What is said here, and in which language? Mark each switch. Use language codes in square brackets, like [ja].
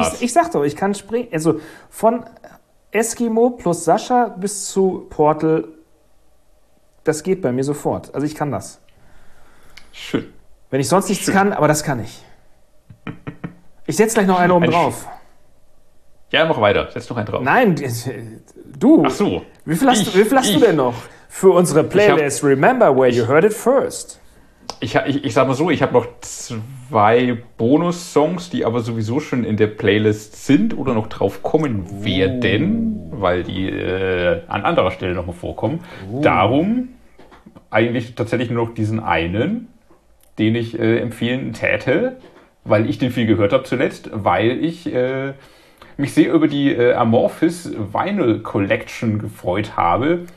[de] Ich sag doch, ich kann springen. Also von Eskimo plus Sascha bis zu Portal, das geht bei mir sofort. Also ich kann das. Schön. Wenn ich sonst nichts schön kann, aber das kann ich. Ich setze gleich noch einen oben drauf. Ja, mach weiter. Setz noch einen drauf. Nein, du. Ach so. Wie viel hast du denn noch für unsere Playlist? [en] Remember where you heard it first. [de] Ich sag mal so, ich habe noch zwei Bonus-Songs, die aber sowieso schon in der Playlist sind oder noch drauf kommen werden, weil die an anderer Stelle nochmal vorkommen. Darum eigentlich tatsächlich nur noch diesen einen, den ich empfehlen täte, weil ich den viel gehört habe zuletzt, weil ich mich sehr über die Amorphis Vinyl Collection gefreut habe.